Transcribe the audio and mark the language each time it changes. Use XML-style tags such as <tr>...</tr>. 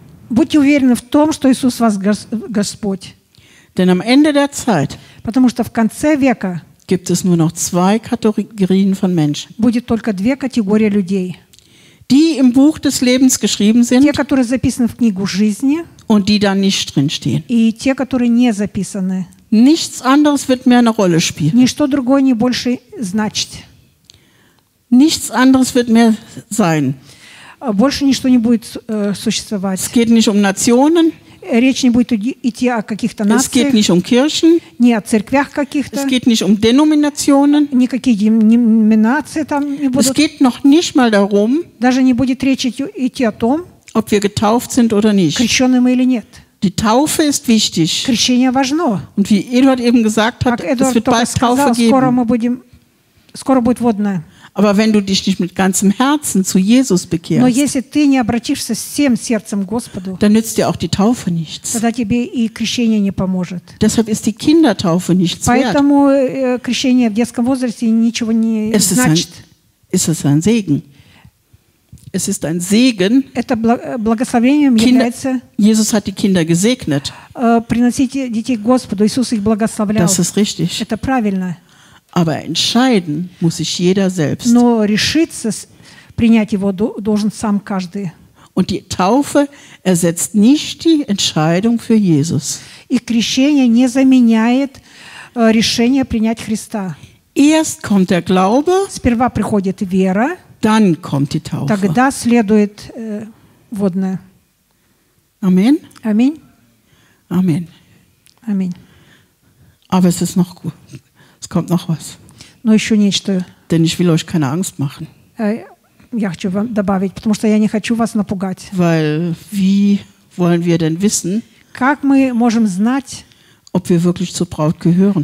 <ru>Будьте уверены в том, что Иисус вас Господь.</ru> <de>Denn am Ende der Zeit.</de> <ru>Потому что в конце века.</ru> <de>Gibt es nur noch zwei Kategorien von Menschen.</de> <ru>Будет только две категории людей.</ru> <de>Die im Buch des Lebens geschrieben sind,</de> <ru>те, которые записаны в книгу жизни,</ru> <de>und die da nicht drin stehen.</de> <ru>И те, которые не записаны.</ru> <de>Nichts anderes wird mehr eine Rolle spielen.</de> <ru>Ничто другое не больше значить.</ru> <de>Nichts anderes wird mehr sein.</de> <ru>Больше ничто не будет существовать.</ru> <de>Es geht nicht um Nationen.</de> <ru>Речь не будет идти о каких-то нациях.</ru> <de>Es geht nicht um Kirchen.</de> <ru>Не о церквях каких-то.</ru> <de>Es geht nicht um Denominationen.</de> <ru>Никакие деноминации там не будут.</ru> <de>Es geht noch nicht mal darum,</de> <ru>даже не будет речь идти о том,</ru> <de>ob wir getauft sind oder nicht.</de> <ru>Крещены мы или нет.</ru> <de>Die Taufe ist wichtig.</de> <ru>Крещение важно.</ru> <de>Und wie Eduard eben gesagt hat, es wird bald Taufe geben.</de> <ru>Скоро мы будем, скоро будет водное.</ru> <de>Aber wenn du dich nicht mit ganzem Herzen zu Jesus bekehrst,</de> <ru>но если ты не обратишься всем сердцем к Господу,</ru> <de>dann nützt dir auch die Taufe nichts.</de> <ru>Тогда тебе и крещение не поможет.</ru> <de>Deshalb ist die Kindertaufe nichts</de> <ru>поэтому,</ru> <de>wert.</de> <ru>Поэтому крещение в детском возрасте ничего не</ru> <de>es</de> <ru>значит.</ru> <de>Ist es ein Segen? Es ist ein Segen.</de> <ru>Это благословением</ru> <de>Kinder,</de> <ru>является.</ru> <de>Jesus hat die Kinder gesegnet.</de> <ru>Приносите детей к Господу, Иисус их благословлял.</ru> <de>Das ist richtig.</de> <ru>Это правильно.</ru> <de>Aber entscheiden muss sich jeder selbst.</de> <ru>Но решиться принять его должен сам каждый.</ru> <de>Und die Taufe ersetzt nicht die Entscheidung für Jesus.</de> <ru>И крещение не заменяет решение принять Христа.</ru> <de>Erst kommt der Glaube,</de> <ru>сперва приходит вера,</ru> <de>dann kommt die Taufe.</de> <ru>Тогда следует водное.</ru> <de>Amen.</de> <ru>Amen.</ru> <de>Amen.</de> <ru>Amen.</ru> <de>Aber es ist noch gut. Es kommt noch was.</de> <ru>Но еще нечто.</ru> <de>Denn ich will euch keine Angst machen.</de> <ru>Я хочу вам добавить, потому что я не хочу вас напугать.</ru> <de>Weil wie wollen wir denn wissen?</de> <ru>Как мы можем знать?</ru> <de>Ob wir wirklich zur Braut gehören.</de>